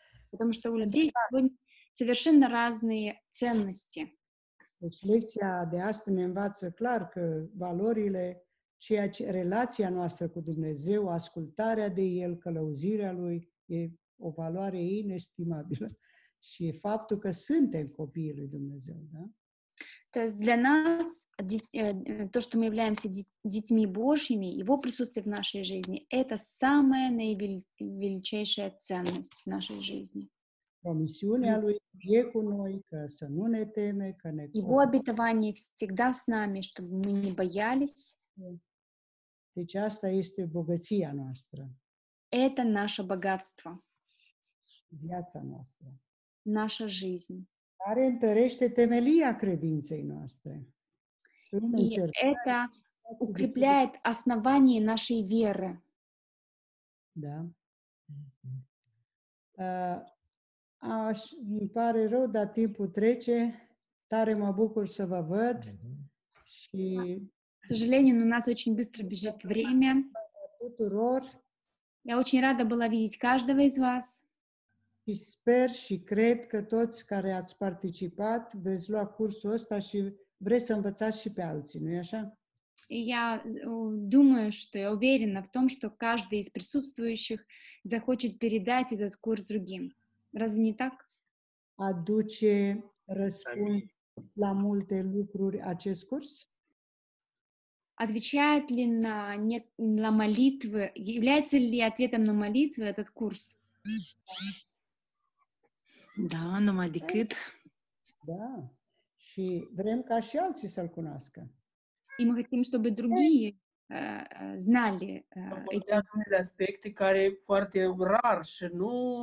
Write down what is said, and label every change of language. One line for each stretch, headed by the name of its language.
Russian: Потому что у людей совершенно разные ценности.
Romanian: Deci lecția de astăzi ne învață clar că valorile, ceea ce, relația noastră cu Dumnezeu, ascultarea de El, călăuzirea Lui, e o valoare inestimabilă și e faptul că suntem copiii lui Dumnezeu. Da?
Russian: Для нас, то, что мы являемся детьми Божьими, Его присутствие в нашей жизни, это самая наивеличайшая ценность в нашей жизни.
Romanian: Promisiunea lui e cu noi, că să nu ne teme, că ne...
Russian: Его обетование всегда с нами, чтобы мы не боялись.
Romanian: Deci asta este bogăția noastră.
Russian: Это наше богатство.
Romanian: Viața noastră.
Russian: Наша жизнь.
Romanian: Care întărește temelia credinței noastre.
Russian: И это укрепляет основание нашей веры.
Romanian: Da. Aș, îmi pare rău, dar timpul trece. Tare mă bucur să vă văd. Și,
Russian: съжалению, но у нас очень быстро бежит время.
Romanian: Tuturor.
Russian: Я очень рада была видеть каждого из вас.
Romanian: Și sper și cred că toți care ați participat veți lua cursul ăsta și vreți să învățați și pe alții, nu-i așa?
Russian: Я думаю, что я уверена в том, что каждый из присутствующих захочет передать этот курс другим. Разве не так?
Romanian: Aduce răspuns la multe lucruri acest curs?
Russian: Отвечает ли на молитвы? Является ли ответом на молитвы этот курс?
Romanian: Da, numai decât. Da. Și vrem ca și alții să-l cunoască.
Russian: И мы хотим, чтобы другие знали.
Romanian: Abordează unele aspecte care foarte rar și nu...